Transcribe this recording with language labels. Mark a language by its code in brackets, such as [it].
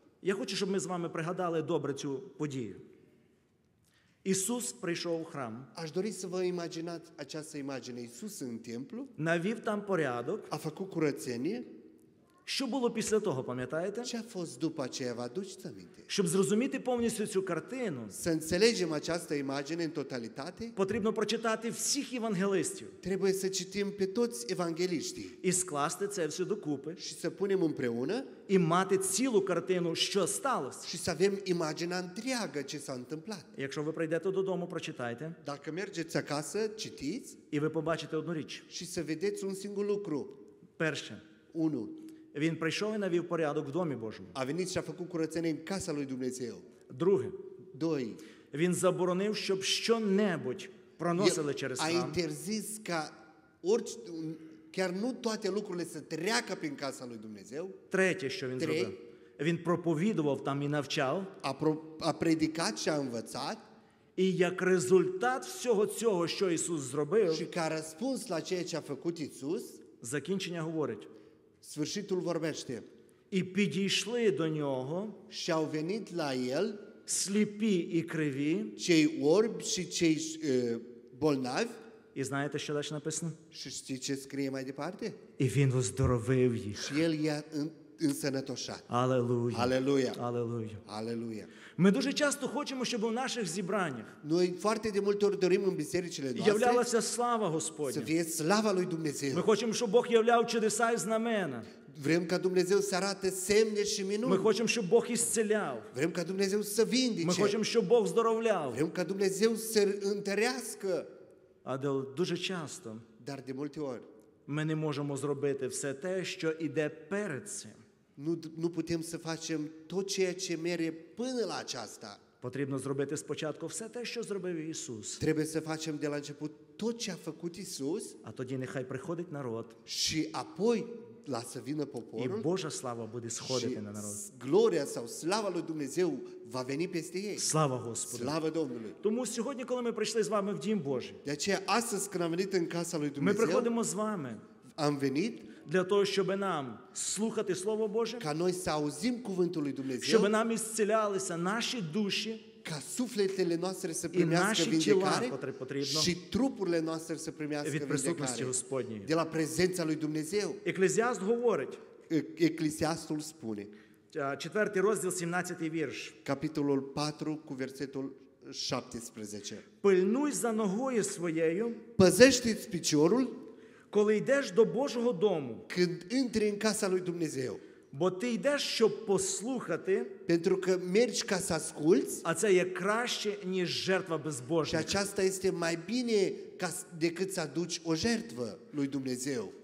[uk] Я хочу, щоб ми з вами пригадали добре цю подію. Ісус прийшов у храм. Аж дори [ro] să vă imaginați această imagine. Ісус în templu. [uk] Навів там порядок. [ro] A făcut curățenie. [uk] Що було після того, пам'ятаєте? [ro] Ce a fost după aceea, vă aduceți aminte? [uk] Щоб зрозуміти повністю цю картину, [ro] să înțelegem această imagine în totalitate, [uk] потрібно прочитати всіх евангелистів. [ro] Trebuie să citim pe toți evangeliștii. [uk] І скласти це все докупи. [ro] Și să punem împreună. [uk] І мати цілу картину, що сталося. [ro] Și să avem imaginea întreagă ce s-a întâmplat. [uk] Якщо ви прийдете додому, прочитайте. [ro] Dacă mergeți acasă, citiți. [uk] І ви побачите одну річ. [ro] Și să vedeți un singur lucru. [uk] Перше. [ro] Unu. [uk] Він прийшов і навів порядок в домі Божому. А він ще [ro] făcut curățenie în casa lui Dumnezeu. [uk] Друге. [ro] Doi. [uk] Він заборонив, щоб що-небудь проносили через храм. [ro] А interzis ca orice, chiar nu toate lucrurile să treacă prin casa lui Dumnezeu. [uk] Третє, що він зробив. Він проповідував там і навчав. [ro] А predicat și a învățat. [uk] І як результат всього цього, що Ісус зробив, [ro] și ca răspuns la ceea ce a făcut Isus, [uk] закінчення говорить. [ro] Sfârșitul vorbește. [uk] І підійшли до нього, [ro] și au venit la el, [uk] сліпі і криві, [ro] cei orbi și cei bolnavi. [uk] І знаєте, що далі написано? [ro] Și știi ce scrie mai departe? [uk] І він оздоровив їх. [ro] Și el i-a însănătoșat. Aleluia. Aleluia. Aleluia. Aleluia. [uk] Ми дуже часто хочемо, щоб у наших зібраннях. [ro] Noi foarte de multe ori dorim în bisericile noastre. [uk] Являлася слава Господня. [ro] Să fie slava lui Dumnezeu. [uk] Ми хочемо, щоб Бог являв чудеса і знамена. [ro] Vrem ca Dumnezeu să arate semne și minuni. [uk] Ми хочемо, щоб Бог ісцеляв. [ro] Vrem ca Dumnezeu să vindece. [uk] Ми хочемо, щоб Бог здоровляв. [ro] Vrem ca Dumnezeu să întărească. [uk] Але дуже часто. [ro] Dar de multe ori. [uk] Ми не можемо зробити все те, що іде перед цим. [ro] Nu putem să facem tot ceea ce merge până la aceasta. [uk] Потрібно зробити спочатку все те, що зробив Ісус. [ro] Trebuie să facem de la început tot ce a făcut Isus. [uk] А тоді нехай приходить народ. [ro] Și apoi lasă vină poporul. [uk] І Божа слава буде сходити на народ. [ro] Gloria sau slava lui Dumnezeu va veni peste ei. [uk] Слава Господу. Слава [ro] Domnului. [uk] Тому сьогодні, коли ми прийшли з вами в дім Божий. [ro] De aceea astăzi când am venit în casa lui Dumnezeu. [uk] Ми приходимо з вами. [ro] Am venit [uk] для того, щоб нам слухати Слово Боже, [ro] ca noi să auzim cuvântul lui Dumnezeu, [uk] щоб нам ісцілялися наші душі, [ro] ca sufletele noastre să primească vindecare, [uk] потрібно, [ro] și trupurile noastre să primească [uk] від присутності Господньої, [ro] de la prezența lui Dumnezeu. [uk] Eclesiast говорить, [ro] Eclesiastul spune, [uk] 4 розділ, 17 вірш, [ro] capitolul 4 cu versetul 17, [uk] пильнуй за ногою своєю, [ro] păzește-ți piciorul, [uk] коли йдеш до Божого дому, [ro] când intri în casa lui Dumnezeu, [uk] бо ти йдеш, щоб послухати, [ro] pentru că mergi ca să asculți, [uk] а це є краще, ніж жертва безбожна. [ro] Și aceasta este mai bine ca, decât să aduci o jertvă lui Dumnezeu.